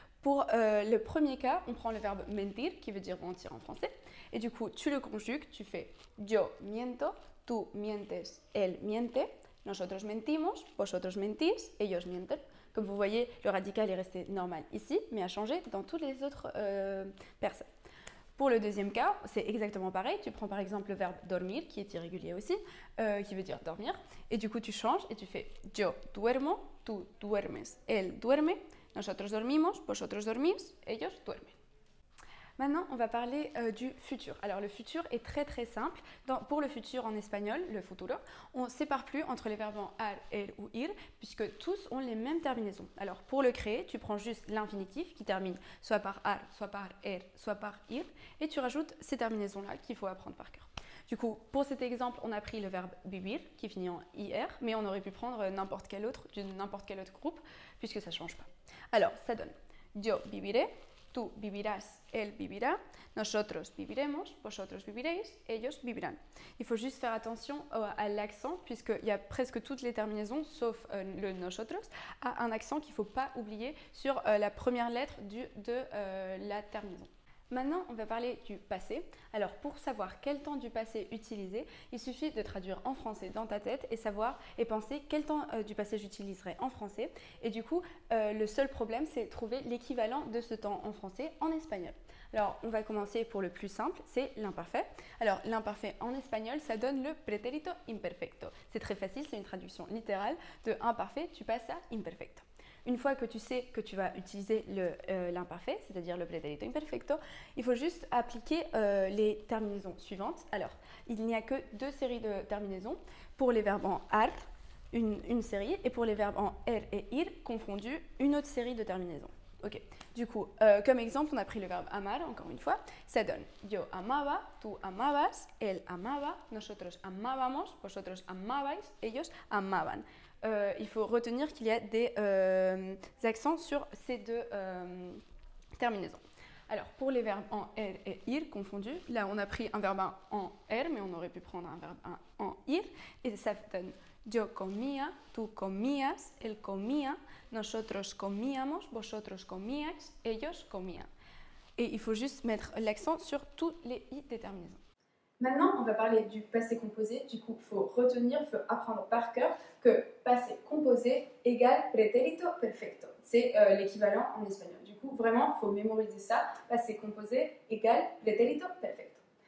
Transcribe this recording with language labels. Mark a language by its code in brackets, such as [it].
[fr] Pour le premier cas, on prend le verbe mentir, qui veut dire mentir en français, et du coup, tu le conjugues, tu fais [es] yo miento, tu mientes, él miente, nosotros mentimos, vosotros mentís, ellos mienten. [fr] Comme vous voyez, le radical est resté normal ici, mais a changé dans toutes les autres personnes. Pour le deuxième cas, c'est exactement pareil. Tu prends par exemple le verbe dormir, qui est irrégulier aussi, qui veut dire dormir. Et du coup, tu changes et tu fais [es] yo duermo, tu duermes, él duerme, nosotros dormimos, vosotros dormís, ellos duermen. [fr] Maintenant, on va parler du futur. Alors, le futur est très très simple. Pour le futur en espagnol, le futuro, on ne sépare plus entre les verbes en ar, el ou ir, puisque tous ont les mêmes terminaisons. Alors, pour le créer, tu prends juste l'infinitif qui termine soit par ar, soit par er, soit par ir, et tu rajoutes ces terminaisons-là qu'il faut apprendre par cœur. Du coup, pour cet exemple, on a pris le verbe vivir qui finit en ir, mais on aurait pu prendre n'importe quel autre, d'une n'importe quel autre groupe, puisque ça ne change pas. Alors, ça donne [es] yo viviré. Tu vivirás, él vivirá, nosotros viviremos, vosotros viviréis, ellos vivirán. [fr] Il faut juste faire attention à l'accent, puisqu'il y a presque toutes les terminaisons, sauf le nosotros, à un accent qu'il ne faut pas oublier sur la première lettre de la terminaison. Maintenant, on va parler du passé. Alors, pour savoir quel temps du passé utiliser, il suffit de traduire en français dans ta tête et savoir et penser quel temps du passé j'utiliserai en français. Et du coup, le seul problème, c'est trouver l'équivalent de ce temps en français en espagnol. Alors, on va commencer pour le plus simple, c'est l'imparfait. Alors, l'imparfait en espagnol, ça donne le pretérito imperfecto. C'est très facile, c'est une traduction littérale de imparfait, tu passes à imperfecto. Une fois que tu sais que tu vas utiliser l'imparfait, c'est-à-dire le pretérito imperfecto, il faut juste appliquer les terminaisons suivantes. Alors, il n'y a que deux séries de terminaisons pour les verbes en ar, une série, et pour les verbes en er et ir, confondus, une autre série de terminaisons. Ok. Du coup, comme exemple, on a pris le verbe amar, encore une fois. Ça donne [es] yo amaba, tu amabas, él amaba, nosotros amábamos, vosotros amabais, ellos amaban. [fr] Il faut retenir qu'il y a des accents sur ces deux terminaisons. Alors, pour les verbes en er et ir confondus, là, on a pris un verbe en er, mais on aurait pu prendre un verbe en ir. Et ça donne [es] yo comía, tú comías, él comía, nosotros comíamos, vosotros comíais, ellos comían. [fr] Et il faut juste mettre l'accent sur tous les i des terminaisons. Maintenant, on va parler du passé composé. Du coup, il faut retenir, il faut apprendre par cœur que passé composé égale pretérito perfecto. C'est l'équivalent en espagnol. Du coup, vraiment, il faut mémoriser ça. Passé composé égale pretérito perfecto.